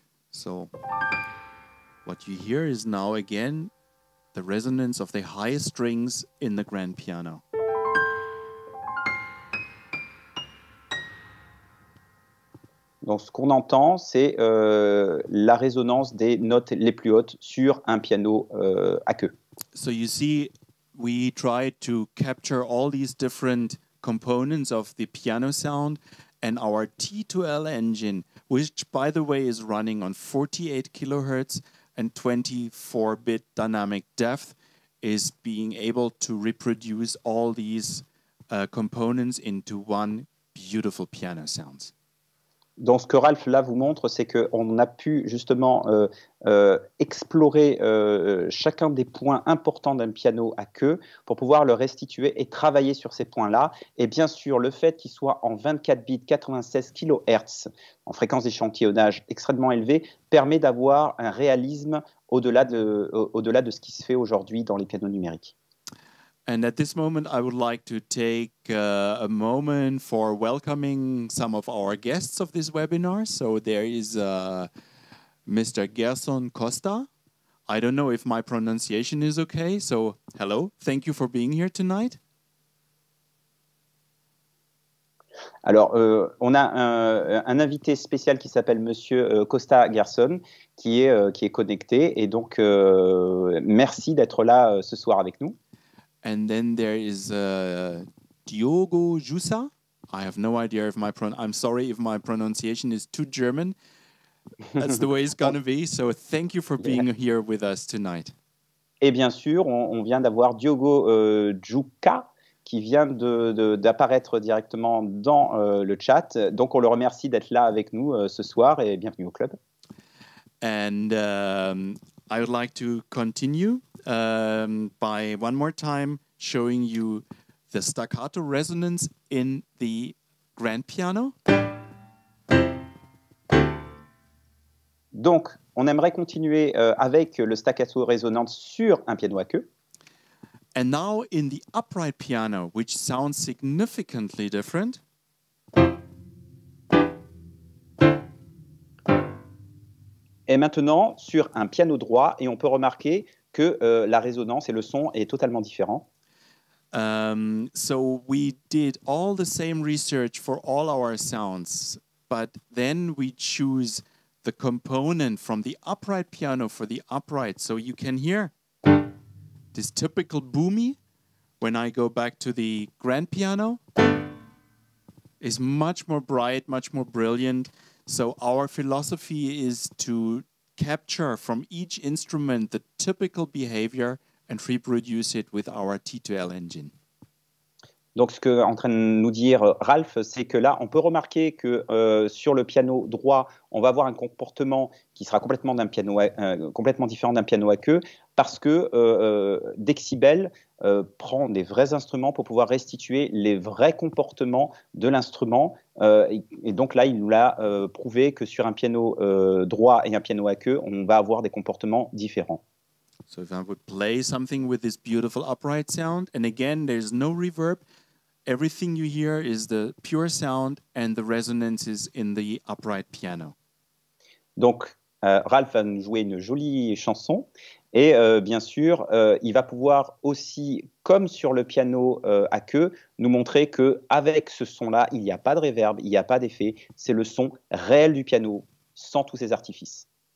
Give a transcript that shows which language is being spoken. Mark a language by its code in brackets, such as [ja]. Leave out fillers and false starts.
[en] So, what you hear is now again the resonance of the highest strings in the grand piano. [fr] Donc, ce qu'on entend, c'est la résonance des notes les plus hautes sur un piano à queue. [en] So you see, we try to capture all these different components of the piano sound, and our T2L engine, which, by the way, is running on 48 kHz and 24-bit dynamic depth, is being able to reproduce all these components into one beautiful piano sound. [fr] Donc, ce que Ralph là vous montre, c'est qu'on a pu justement explorer chacun des points importants d'un piano à queue pour pouvoir le restituer et travailler sur ces points-là. Et bien sûr, le fait qu'il soit en 24 bits, 96 kHz, en fréquence d'échantillonnage extrêmement élevée, permet d'avoir un réalisme au-delà de ce qui se fait aujourd'hui dans les pianos numériques. [en] And at this moment, I would like to take a moment for welcoming some of our guests of this webinar. So there is Mr. Gerson Costa. I don't know if my pronunciation is okay. So hello, thank you for being here tonight. [fr] Alors, on a un invité spécial qui s'appelle Monsieur Costa Gerson, qui est connecté. Et donc, merci d'être là ce soir avec nous. [en] And then there is Diogo Jussa. I have no idea if my I'm sorry if my pronunciation is too German. That's the way it's going to be. So thank you for being here with us tonight. [fr] Et bien sûr, on vient d'avoir Diogo Jussa, qui vient d'apparaître directement dans le chat. Donc, on le remercie d'être là avec nous ce soir et bienvenue au club. [en] And I would like to continue by one more time showing you the staccato resonance in the grand piano. [fr] Donc, on aimerait continuer avec le staccato résonant sur un piano à queue. [en] And now in the upright piano, which sounds significantly different. [fr] Et maintenant, sur un piano droit, et on peut remarquer que la résonance et le son est totalement différent. [en] So we did all the same research for all our sounds, but then we choose the component from the upright piano for the upright, so you can hear this typical boomy. When I go back to the grand piano, is much more bright, much more brilliant. So our philosophy is to capture from each instrument the typical behavior and reproduce it with our T2L engine. [fr] Donc ce que en train de nous dire Ralph, c'est que là on peut remarquer que sur le piano droit, on va avoir un comportement qui sera complètement d'un piano complètement différent d'un piano à queue parce que Dexibel prend des vrais instruments pour pouvoir restituer les vrais comportements de l'instrument. Et donc là, il nous l'a prouvé que sur un piano droit et un piano à queue, on va avoir des comportements différents. [en] So if I would play something with this beautiful upright sound, and again, there's no reverb, everything you hear is the pure sound and the resonance is in the upright piano. [fr] Donc, Ralph va nous jouer une jolie chanson. Et bien sûr, il va pouvoir aussi, comme sur le piano à queue, nous montrer qu'avec ce son-là, il n'y a pas de réverb, il n'y a pas d'effet. C'est le son réel du piano, sans tous ses artifices.